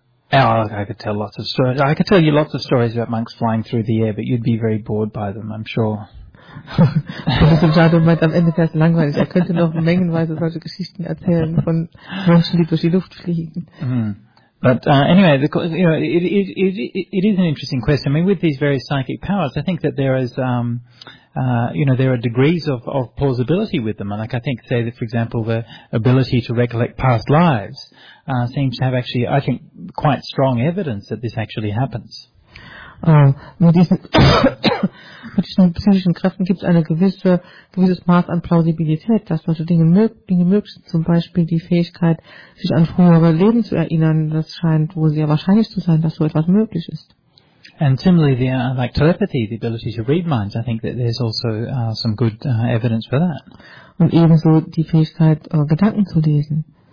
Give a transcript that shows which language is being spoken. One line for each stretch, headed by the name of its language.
English: I could tell lots of stories. I could tell you lots of stories about monks flying through the air, but you'd be very bored by them, I'm sure.
German: Schade, meint am Ende wäre es langweilig. Er könnte noch mengenweise solche Geschichten erzählen von Menschen, die durch die Luft fliegen.
English: But anyway, it is an interesting question. I mean, with these various psychic powers, I think that there is, there are degrees of plausibility with them. And like I think, say that, for example, the ability to recollect past lives seems to have actually, I think, quite strong evidence that this actually happens.
German: Mit diesen psychischen Kräften gibt es ein gewisses Maß an Plausibilität, dass solche Dinge möglich sind. Zum Beispiel die Fähigkeit, sich an frühere Leben zu erinnern, das scheint wohl sehr wahrscheinlich zu sein, dass so etwas möglich ist.
English: And similarly, like telepathy, the ability to read minds, I think that there's also some good evidence for that.
German: Und ebenso die Fähigkeit, Gedanken zu lesen.